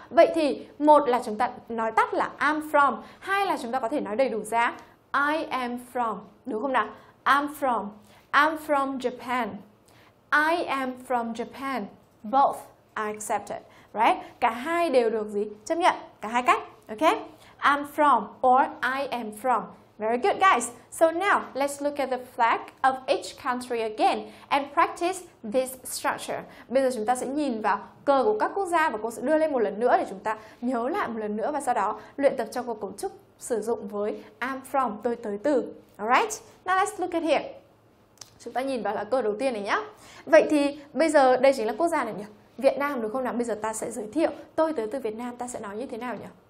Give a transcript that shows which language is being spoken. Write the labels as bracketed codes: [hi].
[vi] Vậy thì một là chúng ta nói tắt là [en] I'm from, [vi] hai là chúng ta có thể nói đầy đủ ra [en] I am from, [vi] đúng không nào? [en] I'm from Japan. I am from Japan. Both are accepted, right? [vi] Cả hai đều được gì? Chấp nhận, cả hai cách, okay? [en] I'm from or I am from. Very good, guys. So now, let's look at the flag of each country again and practice this structure. [vi] Bây giờ chúng ta sẽ nhìn vào cờ của các quốc gia và cô sẽ đưa lên một lần nữa để chúng ta nhớ lại một lần nữa và sau đó luyện tập cho cấu trúc sử dụng với I'm from, tôi tới từ. [en] Alright, now let's look at here. [vi] Chúng ta nhìn vào là cờ đầu tiên này nhé. Vậy thì bây giờ đây chính là quốc gia này nhỉ? Việt Nam, đúng không nào? Bây giờ ta sẽ giới thiệu tôi tới từ Việt Nam, ta sẽ nói như thế nào nhỉ?